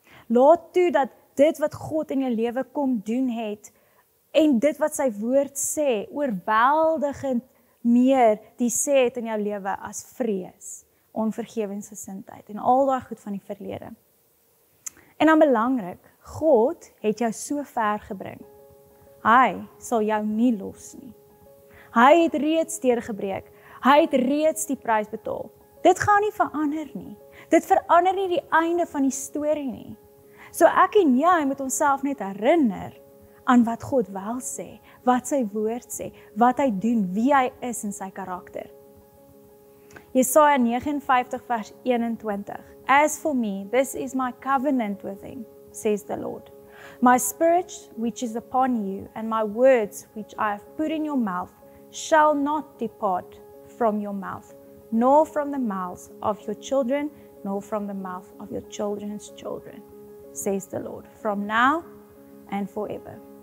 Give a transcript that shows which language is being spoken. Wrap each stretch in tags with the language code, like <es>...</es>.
<af>Laat toe dat dit wat God in jou leven kom doen het en dit wat sy woord sê, oorweldigend meer die sê het in jou leven as vrees, onvergewensgesindheid en al die goed van die verlede. En dan belangrijk, God het jou so ver gebring. Hy sal jou nie los nie. Hy het reeds deurgebreek. Hy het reeds die prys betaal. Dit gaan nie verander nie. Dit verander nie die einde van die story nie. So ek en jy moet onsself net herinner aan wat God wel sê, wat sy woord sê, wat hy doen, wie hy is in sy karakter. Jesaja 59 vers 21.</af> <en>As for me, this is my covenant with him, says the Lord. My spirit which is upon you and my words which I have put in your mouth shall not depart from your mouth, nor from the mouths of your children, nor from the mouth of your children's children, says the Lord, from now and forever.</en>